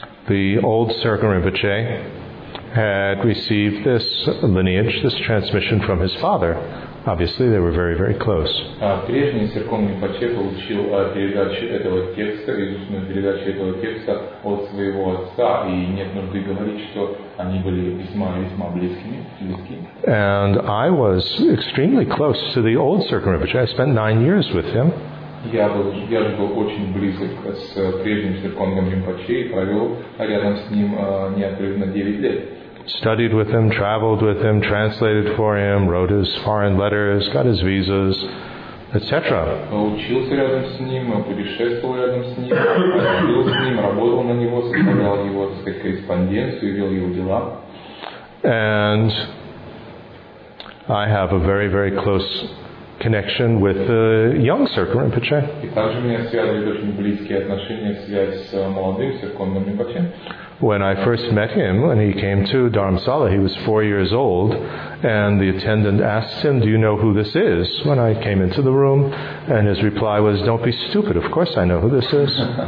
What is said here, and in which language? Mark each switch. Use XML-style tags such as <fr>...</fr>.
<en>The old Sirkar Rinpoche had received this lineage, this transmission from his father. Obviously, they were very, very close.</en> <ru>Прежний Сирком Ринпоче получил передачу этого текста, изученную передачу этого текста от своего отца, и нет нужды говорить, что они были весьма-весьма близкими.</ru> <en>And I was extremely close to the old Sirkom Rinpoche. I spent 9 years with him.</en> <ru>Я был очень близок с прежним Сиркомом Ринпоче и провел рядом с ним неотрывно 9 лет.</ru> <en>Studied with him, traveled with him, translated for him, wrote his foreign letters, got his visas, etc.</en> <ru>Учился рядом с ним, путешествовал рядом с ним, работал с ним, работал на него, составлял его, так сказать, корреспонденцию, вел его дела.</ru> <en>And I have a very, very close connection with the young Sirkar Rinpoche.</en> <ru>И также меня связывают очень близкие отношения, связь с молодым Сиркомом Ринпоче.</ru> <en>When I first met him, when he came to Dharamsala, he was 4 years old, and the attendant asked him, "Do you know who this is?" When I came into the room, and his reply was, "Don't be stupid, of course I know who this is."</en>